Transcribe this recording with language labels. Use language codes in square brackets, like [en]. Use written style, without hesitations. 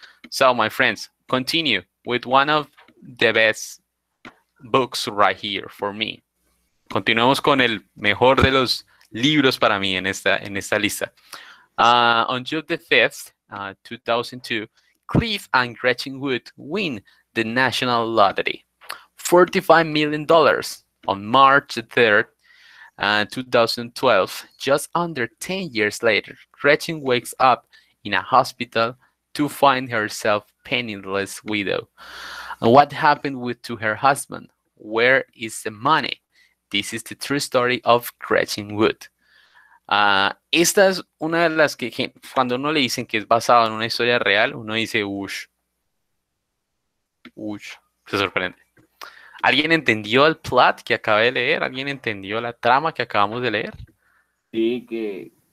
[en] So, my friends, continue with one of the best books right here for me. [es] Continuamos con el mejor de los libros para mí en esta lista. [en] On June the 5th, 2002, Cliff and Gretchen Wood win the National Lottery. $45 million on March the 3rd. 2012, just under 10 years later, Gretchen wakes up in a hospital to find herself penniless widow. What happened to her husband? Where is the money? This is the true story of Gretchen Wood. [es] Esta es una de las que cuando uno le dicen que es basado en una historia real, uno dice, ush, ush, se sorprende. ¿Alguien entendió el plot que acabé de leer? ¿Alguien entendió la trama que acabamos de leer? Sí, que